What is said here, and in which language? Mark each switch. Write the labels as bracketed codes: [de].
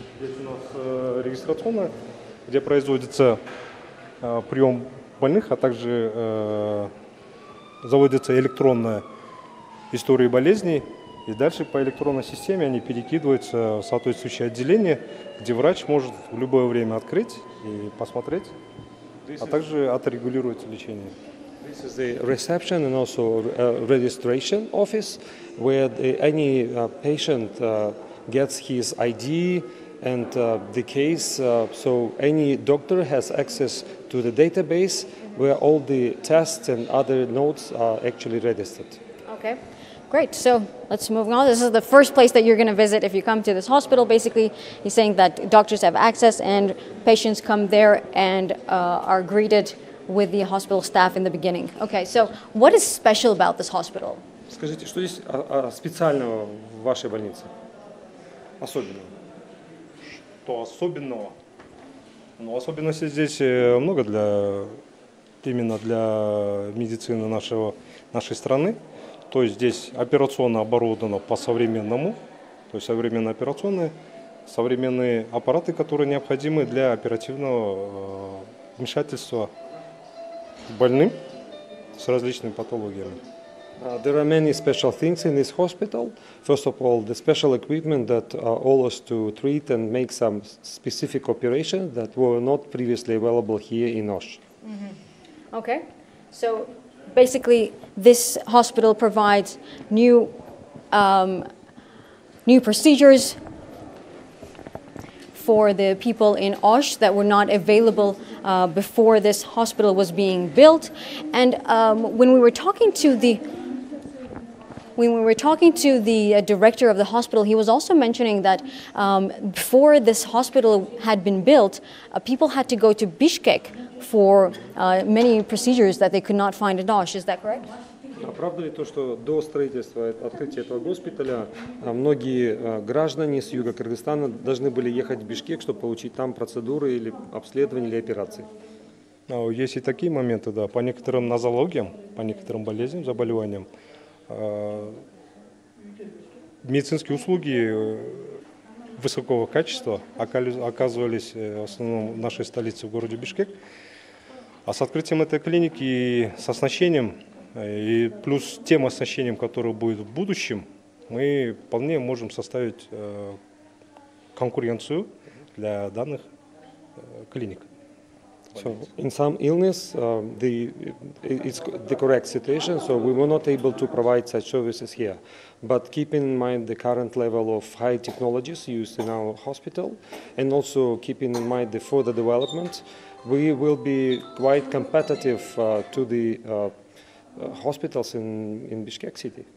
[ru] Здесь у нас регистрационная, где производится прием больных, а также заводится электронная история болезней. И дальше по электронной системе они перекидываются в соответствующее отделение, где врач может в любое время открыть и посмотреть. [en] This is the reception and also registration office, where any patient gets his ID and the case. So any doctor has access to the database where all the tests and other notes are actually registered. Okay. Great, so let's move on. This is the first place that you're going to visit if you come to this hospital. Basically, he's saying that doctors have access and patients come there and are greeted with the hospital staff in the beginning. Okay, so what is special about this hospital? [ru] Скажите, что здесь специального в вашей больнице? Особенного? Что особенного? Ну, особенностей здесь много для именно для медицины нашей страны. То есть здесь операционно оборудовано по-современному, то есть современные операционные, современные аппараты, которые необходимы для оперативного вмешательства больным с различными патологиями. [en] There are many special things in this hospital. First of all, the special equipment that allows to treat and make some specific operations that were not previously available here in Osh. Mm-hmm. Okay. So basically, this hospital provides new procedures for the people in Osh that were not available before this hospital was being built. And when we were talking to the director of the hospital, he was also mentioning that before this hospital had been built, people had to go to Bishkek for many procedures that they could not find in Osh. Is that correct? [ru] Правда ли то, что до строительства, открытия этого госпиталя, многие граждане с юга Кыргызстана должны были ехать в Бишкек, чтобы получить там процедуры или обследование или операции? Есть и такие моменты, да. По некоторым нозологиям, по некоторым болезням, заболеваниям, медицинские услуги высокого качества оказывались в основном в нашей столице, в городе Бишкек. А с открытием этой клиники, с оснащением, и плюс тем оснащением, которое будет в будущем, мы вполне можем составить конкуренцию для данных клиник. [en] So in some illness, it's the correct situation, so we were not able to provide such services here. But keeping in mind the current level of high technologies used in our hospital, and also keeping in mind the further development, we will be quite competitive to the hospitals in Bishkek city.